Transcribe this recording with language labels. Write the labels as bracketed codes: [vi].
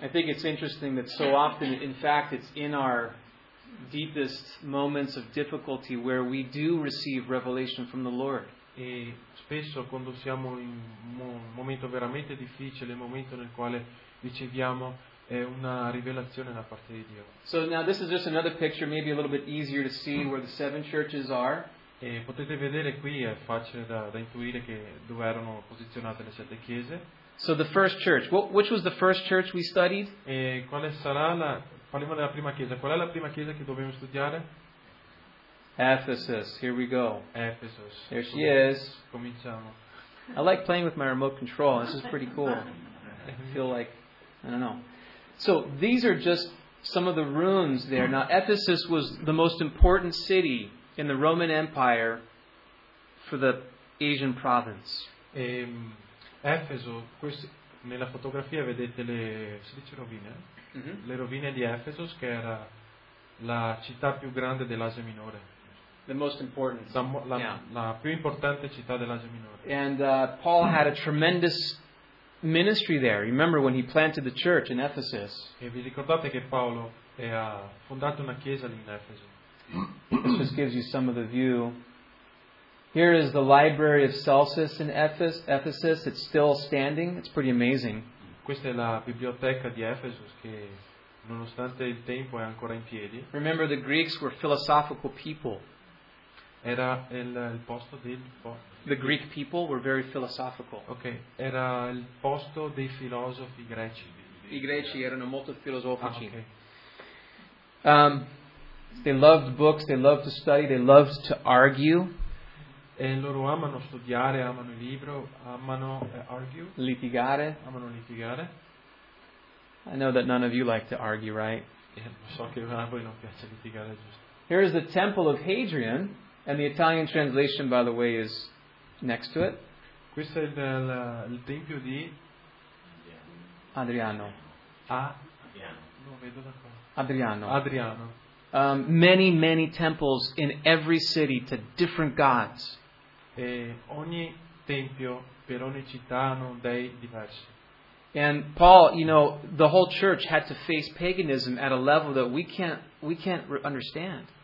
[en] I think it's interesting that so often, in fact, it's in our deepest moments of difficulty where we do receive revelation from the Lord. [it] E spesso quando siamo in un momento veramente difficile, un momento nel quale riceviamo una rivelazione da parte di Dio. [en] So now this is just another picture, maybe a little bit easier to see where the seven churches are. [it] E potete vedere qui, è facile da intuire che dove erano posizionate le sette chiese. [en] So the first church, which was the first church we studied? [it] E quale sarà la, parliamo della prima chiesa, qual è la prima chiesa che dobbiamo studiare? [en] Ephesus, here we go. Ephesus. There she is. [it] Cominciamo. [en] I like playing with my remote control, this is pretty cool. I feel like, I don't know. So these are just some of the ruins there. Now Ephesus was the most important city in the Roman Empire for the Asian province. [it] Efeso, nella fotografia vedete le, si dice rovine? Le rovine di Efeso, che era la città più grande dell'Asia Minore. [en] The most important. [it] La più importante città dell'Asia Minore. [en] And Paul had a tremendous ministry there. Remember when he planted the church in Ephesus? [it] E vi ricordate che Paolo ha fondato una chiesa lì in Efeso? [en] This just gives you some of the view. Here is the Library of Celsus in Ephesus. It's still standing. It's pretty amazing. [it] Questa è la biblioteca di Efeso che, nonostante il tempo, è ancora in piedi. [en] Remember, the Greeks were philosophical people. [it] Era il posto del [en] The Greek people were very philosophical. [it] Okay. Era il posto dei filosofi greci. I greci erano molto filosofici. Ah, okay. [en] They loved books, they loved to study, they loved to argue. [it] E loro amano studiare, amano il libro, amano argue. Litigare. Amano litigare. [en] I know that none of you like to argue, right? [it] So che a voi non piace litigare, giusto. [en] Here is the Temple of Hadrian, and the Italian translation, by the way, is next to it. [it] Questo è il Tempio di Adriano. Adriano. Lo vedo da qua. Adriano. Adriano. [en] Many, many temples in every city to different gods. [it] e ogni tempio per ogni città hanno dei diversi. [en] And Paul, you know, the whole church had to face paganism at a level that we can't understand.